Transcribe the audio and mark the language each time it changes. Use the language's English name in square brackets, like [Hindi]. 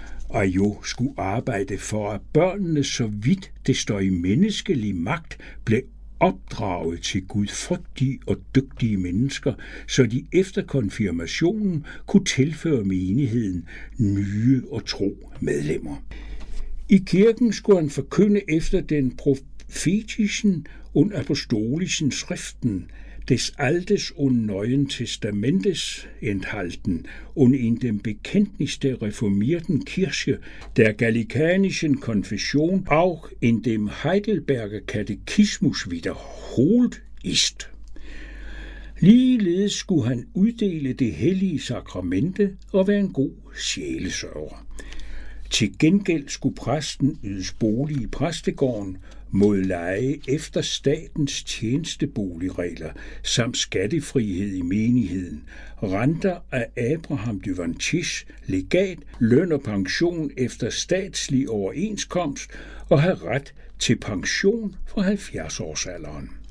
[Danish] Arjo skulle arbejde for, at børnene så vidt det står i menneskelig magt blev opdraget til gudfrygtige og dygtige mennesker, så de efter konfirmationen kunne tilføre menigheden nye og tro medlemmer. I kirken skulle han forkynde efter den [German] profetischen und apostolischen Schriften, des altes und neuen testamentes enthalten und in dem Bekenntnis der reformierten Kirche, der gallikanischen Konfession, auch in dem Heidelberger Katechismus wiederholt ist. [Danish] Ligeledes skulle han uddele det hellige sakramente og være en god sjælesørger. Til gengæld skulle præsten ydes bolig i præstegården mod leje efter statens tjenesteboligregler samt skattefrihed i menigheden, renter af Abraham de Vantis, legat, løn og pension efter statslig overenskomst og have ret til pension fra 70-årsalderen.